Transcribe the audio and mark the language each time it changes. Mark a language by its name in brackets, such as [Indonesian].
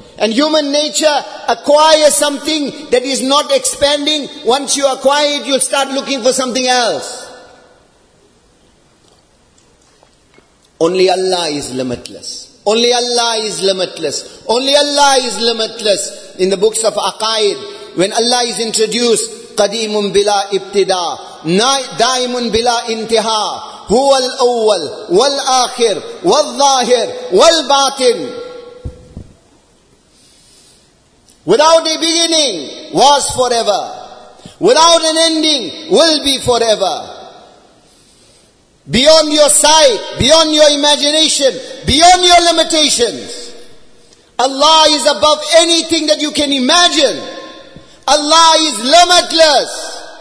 [English] And human nature acquires something that is not expanding. Once you acquire it, you'll start looking for something else. Only Allah is limitless. Only Allah is limitless. Only Allah is limitless. In the books of Aqaid, when Allah is introduced, [Arabic] قَدِيمٌ بِلَا ابْتِدَى دَائِمٌ بِلَا انْتِهَى هُوَ الْأَوَّلْ وَالْآخِرْ وَالظَّاهِرْ وَالْبَاطِنْ. [English] Without a beginning, was forever. Without an ending, will be forever. Beyond your sight, beyond your imagination, beyond your limitations. Allah is above anything that you can imagine. Allah is limitless.